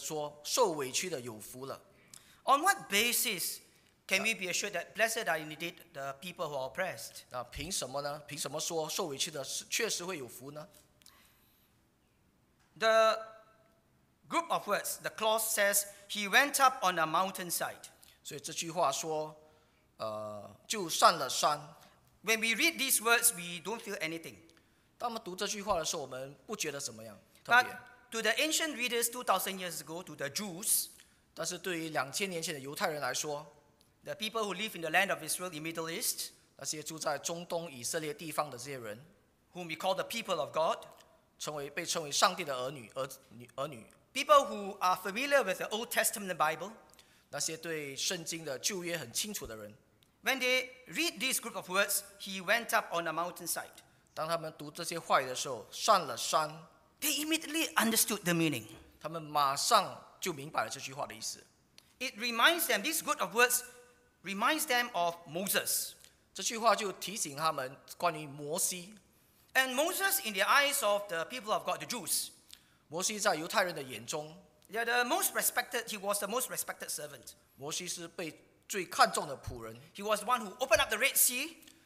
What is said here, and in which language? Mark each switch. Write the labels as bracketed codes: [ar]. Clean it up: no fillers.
[zh] 在这八大福气里面，圣经清楚地说受委屈的有福了。 [en] On what basis can we be assured that blessed are indeed the people who are oppressed? [zh] 那凭什么呢？凭什么说受委屈的确实会有福呢？ [en] The group of words, the clause says, he went up on a mountainside. [zh] 所以这句话说， 就上了山。 [en] When we read these words, we don't feel anything. [zh] 当我们读这句话的时候， 我们不觉得怎么样。 [en] But to the ancient readers 2,000 years ago, to the Jews, [zh] 但是对于2000年前的犹太人来说， [en] the people who live in the land of Israel, in the Middle East, [zh] 那些住在中东以色列地方的这些人， [en] whom we call the people of God, [zh] 被称为上帝的儿女， [en] people who are familiar with the Old Testament Bible, [zh] 那些对圣经的旧约很清楚的人， [en] when they read this group of words, he went up on a mountainside. [zh] 当他们读这些话语的时候， 上了山， [en] they immediately understood the meaning. [zh] 他们马上就明白了这句话的意思。 [en] It reminds them, this group of words reminds them of Moses. [zh] 这句话就提醒他们关于摩西。 [en] And Moses in the eyes of the people of God, the Jews, [zh] 摩西在犹太人的眼中， [en] they are the most respected, he was the most respected servant. [zh] 摩西是被最看重的仆人。 [en] He was the one who opened up the Red Sea.